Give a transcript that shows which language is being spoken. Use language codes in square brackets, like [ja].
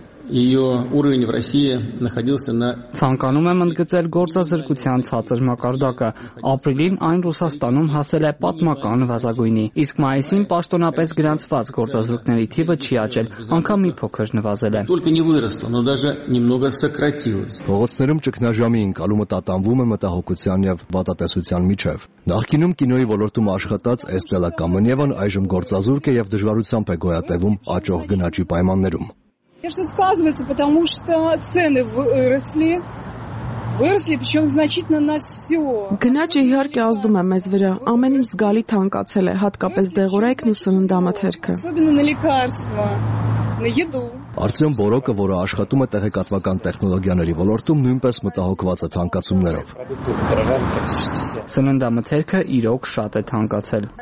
[ru] Её уровень в России находился на [hy] Ցանկանում եմ ընդգծել գործազրկության ցածր մակարդակը։ Ապրիլին այն Ռուսաստանում հասել է պատմական վազագույնի, իսկ մայիսին պաշտոնապես գրանցված գործազրկների թիվը չի աճել, անգամ մի փոքր նվազել է։ [ru] Только не выросло, но даже немного сократилось։ [hy] Փողոցներում ճգնաժամի ընկալումը տատանվում է մտահոգության եւ պատատեսության միջև։ Նախկինում կինոյի ոլորտում աշխատած Էստելա Կամենևան այժմ գործազուրկ է եւ դժվարությամբ է գոյատևում աճող գնաճի պայմաններում։ [ru] Конечно, сказывается, потому что цены выросли. Выросли, причём значительно на всё. [hy] Գնաճը իհարկե ազդում է մեզ վրա, ամեն ինչ զգալի թանկացել է, հատկապես դեղորայքն ու սննդամաթերքը։ [ru] Особенно на лекарства, на еду. [hy] Արտյոմ Բորոկը, որը աշխատում է տեղեկատվական տեխնոլոգիաների ոլորտում, նույնպես մտահոգված է թանկացումներով։ Սննդամթերքը իրոք շատ է թանկացել։